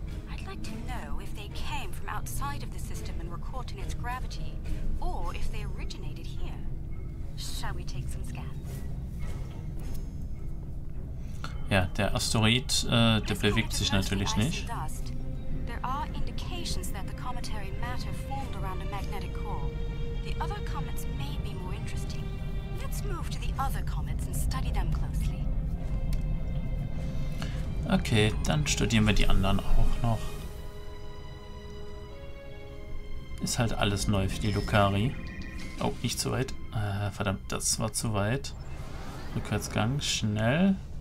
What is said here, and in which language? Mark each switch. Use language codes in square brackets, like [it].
[en] I'd like to know if they came from outside of the system and were caught in its gravity, or if they originated here. Shall we take some scans? [de] Ja, der Asteroid, der bewegt sich natürlich nicht. [en] Dust. There are indications that the cometary matter formed around a magnetic core. The other comets may be more interesting. Let's move to the other comets and study them closely. [de] Okay, dann studieren wir die anderen auch noch. Ist halt alles neu für die Lucari. Oh, nicht zu weit. Verdammt, das war zu weit. Rückwärtsgang, schnell.